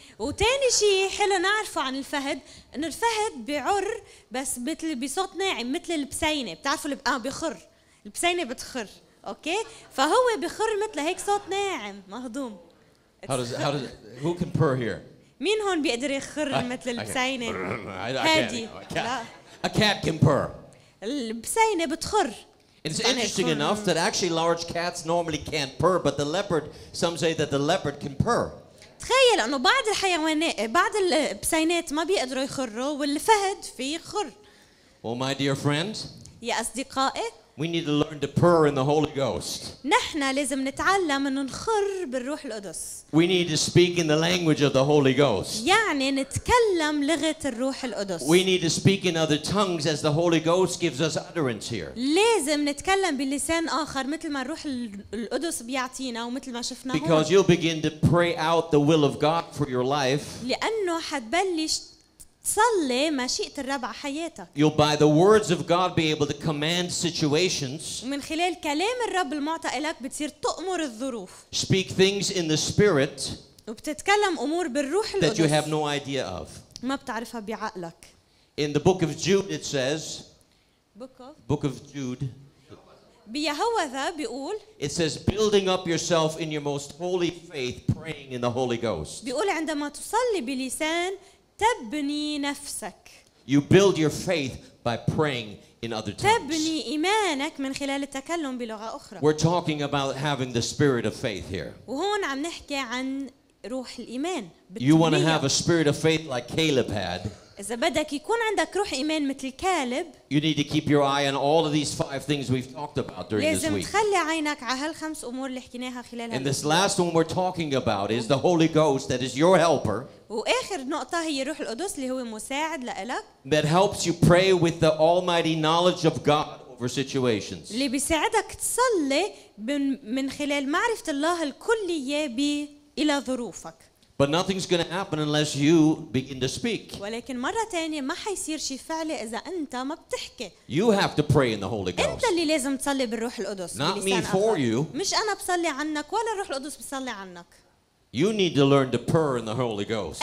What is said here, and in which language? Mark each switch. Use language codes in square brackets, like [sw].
[ar] وتاني شيء حلو نعرفه عن الفهد إن الفهد بعر بس مثل بصوت ناعم مثل البسينة. بتعرفوا بخر. البسينة بتخر. أوكي؟ فهو بخر مثل هيك صوت ناعم مهضوم. [en] How does who can purr here? [ar] مين هون بيقدر يخر مثل البسينة؟ [en] هادي. A cat can purr. [ar] البسينة بتخر. [en] It's interesting enough that actually large cats normally can't purr, but the leopard. Some say that the leopard can purr. [ar] تخيل إنه بعض الحيوانات بعض البسينات ما بيقدروا يخروا والفهد في يخر. [en] Well, my dear friends. [ar] يا أصدقائي. [en] We need to learn to purr in the Holy Ghost. [ar] نحن لازم نتعلم أن نخر بالروح القدس. [en] We need to speak in the language of the Holy Ghost. [ar] يعني نتكلم لغة الروح القدس. [en] We need to speak in other tongues as the Holy Ghost gives us utterance here. [ar] لازم نتكلم بلسان آخر مثل ما الروح القدس بيعطينا ومثل ما شفنا هون. [en] Because you'll begin to pray out the will of God for your life. [ar] لأنه حتبلش صلي مشيئة الرب على حياتك. [en] You'll by the words of God be able to command situations. [ar] من خلال كلام الرب المعطى لك بتصير تأمر الظروف. [en] Speak things in the spirit. [ar] وبتتكلم أمور بالروح القدس. [en] That you have no idea of. [ar] ما بتعرفها بعقلك. [en] In the book of Jude it says. Book of Jude. [ar] بيهوذا بيقول. [en] It says building up yourself in your most holy faith, praying in the Holy Ghost. [ar] بيقول عندما تصلي بلسان. تبني نفسك. [en] You build your faith by praying in other tongues. [ar] تبني إيمانك من خلال التكلم بلغة أخرى. [en] We're talking about having the spirit of faith here. [ar] وهون عم نحكي عن روح الإيمان. [en] You want to have a spirit of faith like Caleb had. [ar] إذا بدك يكون عندك روح إيمان مثل كالب. [en] You need to keep your eye on all of these five things we've talked about during this week. [ar] لازم تخلي عينك على هالخمس أمور اللي حكيناها خلال. [en] And this last one we're talking about is the Holy Ghost that is your helper. [ar] وآخر نقطة هي روح القدس اللي هو مساعد لإلك. [en] That helps you pray with the almighty knowledge of God over situations. [ar] اللي بيساعدك تصلي من خلال معرفة الله الكلية إلى ظروفك. [en] But nothing's going to happen unless you begin to speak. [ar] ولكن مرة تانية ما حيصير شيء فعلي إذا أنت ما بتحكي. [en] You have to pray in the Holy Ghost. [ar] أنت اللي لازم تصلي بالروح القدس. [en] Not me for you. [ar] مش أنا بصلي عنك ولا الروح القدس بصلي عنك. [en] You need to learn to purr in the Holy Ghost.